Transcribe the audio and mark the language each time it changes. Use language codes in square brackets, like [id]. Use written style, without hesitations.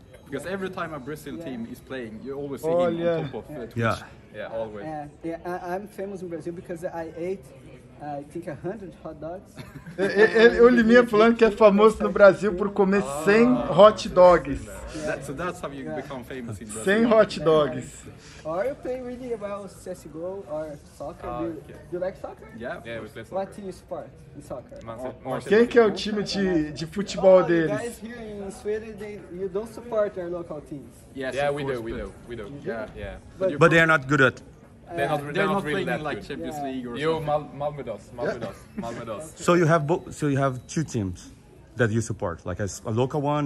[en] Because every time a Brazil team is playing, you always see him on top of Twitch. Yeah. Yeah, always. Yeah, I'm famous in Brazil because I ate, I think, 100 hot dogs. [pt] O Liminha falando que é famoso no Brasil por comer 100 hot dogs. [en] That, so that's how you become famous in Brazil. 100 hot dogs. Or you play really well CSGO or soccer. Do you like soccer? Yeah, we play soccer. What team is sport in soccer? [pt] Quem que é o time de futebol deles? [en] You guys here in Sweden, you don't support our local teams. Yes, yeah, we do. Yeah. But they are not good at... They're not really playing like Champions League or Malmedos. So you have two teams that you support, like a local one.